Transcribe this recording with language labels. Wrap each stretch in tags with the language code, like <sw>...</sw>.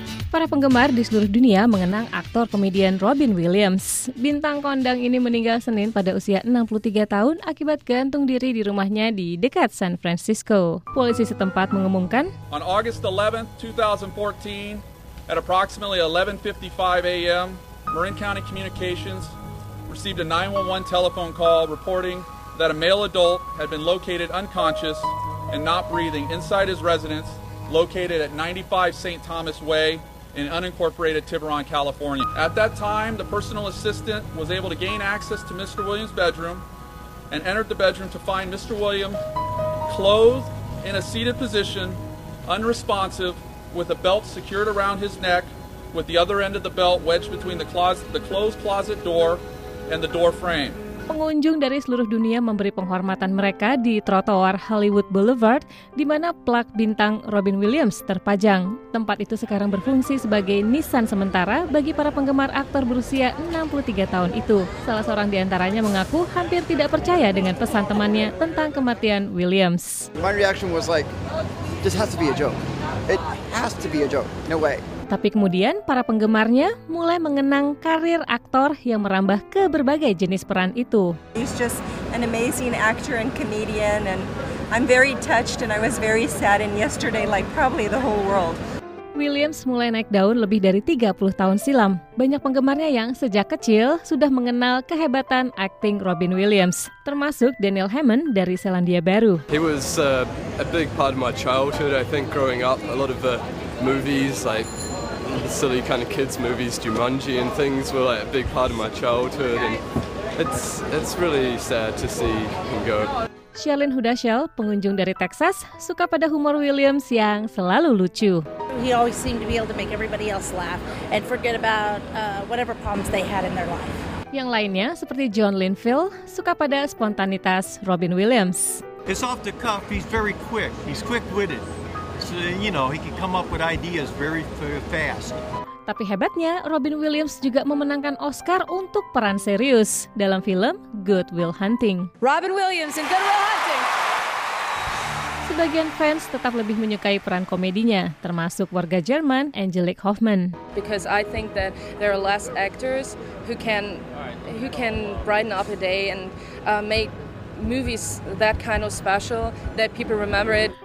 <id>Para penggemar di seluruh dunia mengenang aktor komedian Robin Williams. Bintang kondang ini meninggal Senin pada usia 63 tahun akibat gantung diri di rumahnya di dekat San Francisco. Polisi setempat mengumumkan,</id> <en>On August 11, 2014, at approximately 11:55 a.m., Marin County Communications received a 911 telephone call reporting that a male adult had been located unconscious and not breathing inside his residence located at 95 St. Thomas Way in unincorporated Tiburon, California. At that time, the personal assistant was able to gain access to Mr. Williams' bedroom and entered the bedroom to find Mr. Williams clothed in a seated position, unresponsive, with a belt secured around his neck, with the other end of the belt wedged between the closet, the closed closet door and the door frame.</en> <id>Pengunjung dari seluruh dunia memberi penghormatan mereka di trotoar Hollywood Boulevard di mana plak bintang Robin Williams terpajang. Tempat itu sekarang berfungsi sebagai nisan sementara bagi para penggemar aktor berusia 63 tahun itu. Salah seorang di antaranya mengaku hampir tidak percaya dengan pesan temannya tentang kematian Williams.</id> <en>My reaction was like, this has to be a joke. It has to be a joke. No way.</en> <id>Tapi kemudian para penggemarnya mulai mengenang karir aktor yang merambah ke berbagai jenis peran itu.</id> <en>He's just an amazing actor and comedian and I'm very touched and I was very sad and yesterday like probably the whole world.</en> <id>Williams mulai naik daun lebih dari 30 tahun silam. Banyak penggemarnya yang sejak kecil sudah mengenal kehebatan akting Robin Williams, termasuk Daniel Hammond dari Selandia Baru.</id> <en>He was a big part of my childhood, I think, growing up. A lot of the movies, like silly kind of kids movies, Jumanji and things, were like a big part of my childhood. And it's really sad to see him go.</en> <id>Shailene Hudashell, pengunjung dari Texas, suka pada humor Williams yang selalu lucu.</id> <en>He always seemed to be able to make everybody else laugh and forget about whatever problems they had in their life.</en> <id>Yang lainnya, seperti John Linville, suka pada spontanitas Robin Williams.</id> <en>It's off the cuff, he's very quick. He's quick-witted. So, you know, he can come up with ideas very fast.</en> <id>Tapi hebatnya, Robin Williams juga memenangkan Oscar untuk peran serius dalam film Good Will Hunting.</id> <en>Robin Williams in Good Will Hunting.</en> <id>Sebagian fans tetap lebih menyukai peran komedinya, termasuk warga Jerman Angelique Hoffman.</id> <en>Because I think that there are less actors who can brighten up a day and make movies that kind of special that people remember it.</en>